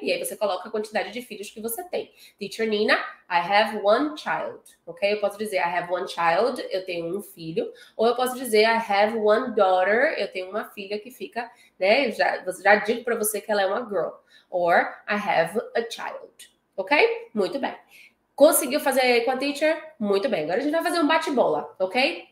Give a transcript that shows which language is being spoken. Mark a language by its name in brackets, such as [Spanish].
[Portuguese] E aí você coloca a quantidade de filhos que você tem. [English] Teacher Nina, I have one child. Ok? [Portuguese] Eu posso dizer [English] I have one child, [Portuguese] eu tenho um filho. Ou eu posso dizer [English] I have one daughter, [Portuguese] eu tenho uma filha que fica, né? Já digo para você que ela é uma girl. [English] Or I have a child. [Portuguese] Ok? Muito bem. Conseguiu fazer aí com a teacher? Muito bem. Agora a gente vai fazer um bate-bola, ok?